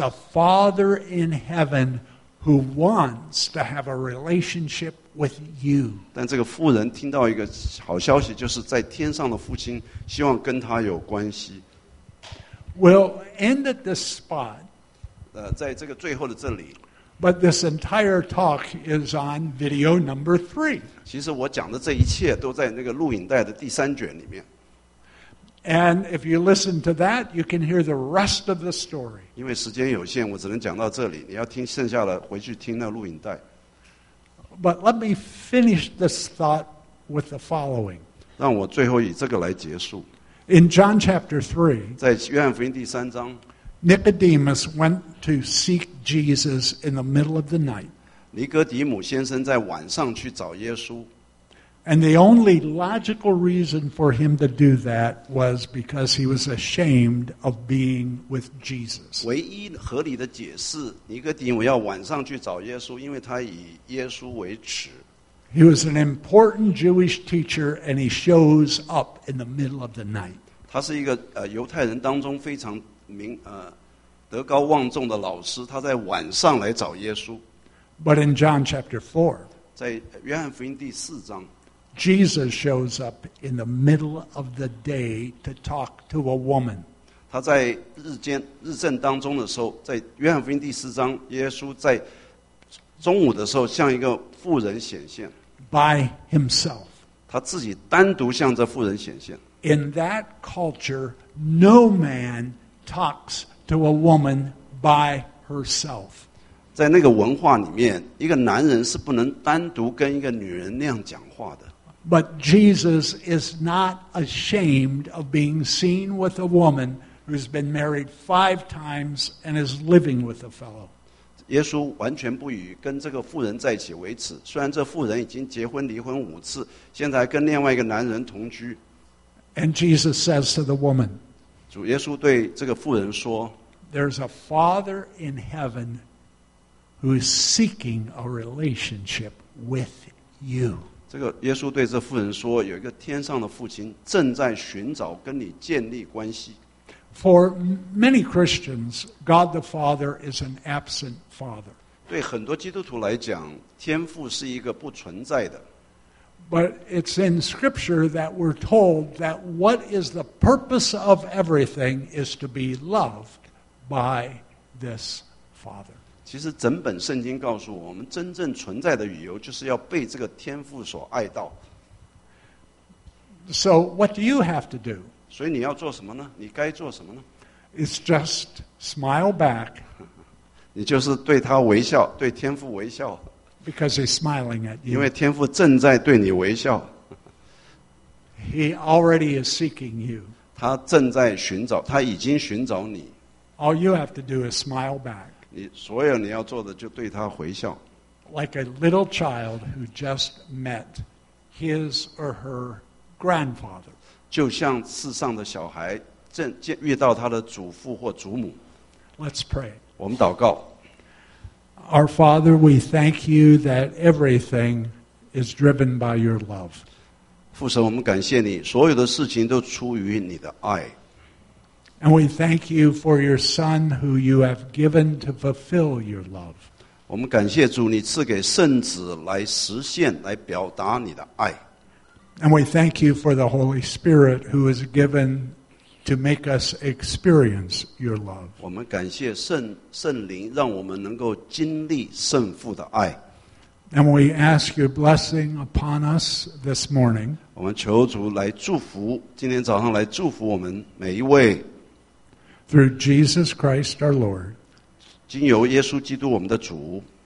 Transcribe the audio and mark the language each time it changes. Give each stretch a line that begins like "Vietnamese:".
English: a Father in heaven who wants to have a relationship with you.
Chinese: 但这个妇人听到一个好消息,就是在天上的父亲希望跟她有关系。
English: We'll end at this spot.
Chinese: 在这个最后的这里。
English: But this entire talk is on video number three.
Chinese: 其实我讲的这一切都在那个录影带的第三卷里面。
English: And if you listen to that, you can hear the rest of the story.
Chinese: 因为时间有限，我只能讲到这里。你要听剩下的，回去听那录影带。
English: But let me finish this thought with the following.
Chinese: 让我最后以这个来结束。
English: In John chapter 3,
Chinese: 在约翰福音第三章，
English: Nicodemus went to seek Jesus in the middle of the night.
Chinese: 尼哥底母先生在晚上去找耶稣。
English: And the only logical reason for him to do that was because he was ashamed of being with Jesus.
Chinese: 唯一合理的解释，尼哥底母要晚上去找耶稣，因为他以耶稣为耻。
English: He was an important Jewish teacher, and he shows up in the middle of the night.
Chinese: 他是一个犹太人当中非常名德高望重的老师，他在晚上来找耶稣。
English: But in John chapter 4,
Chinese: 在约翰福音第四章。
English: Jesus shows up in the middle of the day to talk to a woman.
Chinese: 他在日正当中的时候，在约翰福音第四章，耶稣在中午的时候向一个妇人显现。
English: By himself.
Chinese: 他自己单独向这妇人显现。
English: In that culture, no man talks to a woman by herself.
Chinese: 在那个文化里面，一个男人是不能单独跟一个女人那样讲话的。
English: But Jesus is not ashamed of being seen with a woman who's been married 5 times and is living with a fellow.
Chinese: 耶稣完全不与跟这个妇人在一起为耻，虽然这妇人已经结婚离婚5次，现在跟另外一个男人同居。
English: And Jesus says to the woman,
Chinese: 主耶稣对这个妇人说，
English: There's a father in heaven who is seeking a relationship with you.
Chinese: 这个耶稣对这妇人说，有一个天上的父亲正在寻找跟你建立关系。
English: For many Christians, God the Father is an absent father.
Chinese: 对很多基督徒来讲，天父是一个不存在的。
English: But it's in Scripture that we're told that what is the purpose of everything is to be loved by this father.
Chinese: 其实整本圣经告诉我们，真正存在的理由就是要被这个天父所爱到。
English: So what do you have to do?
Chinese: 所以你要做什么呢？你该做什么呢？
English: It's just smile back.
Chinese: 你就是对他微笑，对天父微笑。
English: Because he's smiling at you.
Chinese: 因为天父正在对你微笑。
English: He already is seeking you.
Chinese: 他正在寻找，他已经寻找你。
English: All you have to do is smile back.
Chinese: 你所有你要做的就对他回笑。
English: Like a little child who just met his or her grandfather.
Chinese: 就像世上的小孩正遇到他的祖父或祖母。
English: Let's pray.
Chinese: 我们祷告。
English: Our Father, we thank you that everything is driven by your love.
Chinese: 父神，我们感谢你，所有的事情都出于你的爱。
English: And we thank you for your Son who you have given to fulfill your love.
Chinese: 我们感谢主，你赐给圣子来实现，来表达你的爱。
English: And we thank you for the Holy Spirit who is given to make us experience your love.
Chinese: 我们感谢圣灵，让我们能够经历圣父的爱。
English: And we ask your blessing upon us this morning.
Chinese: 我们求主来祝福，今天早上来祝福我们每一位。
English: Through Jesus Christ our Lord.
Chinese: 经由耶稣基督我们的主。